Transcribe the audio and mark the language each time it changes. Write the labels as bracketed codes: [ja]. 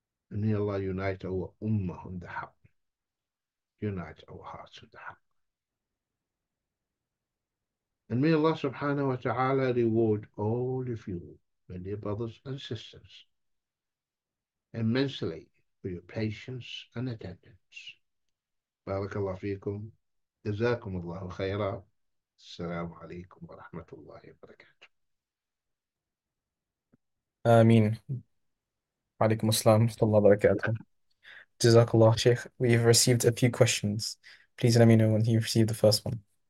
[en] And may Allah unite our ummah on the haqq. Unite our hearts on the haqq. And may Allah subhanahu wa ta'ala reward all of you, my dear brothers and sisters, immensely for your patience and attendance. [ar] Barakallahu feekum. جزاكم الله خيرا. السلام عليكم ورحمة الله وبركاته. آمين. عليكم السلام ورحمة الله وبركاته. جزاك الله شيخ. [en] We have received a few questions. Please let me know when you receive the first one.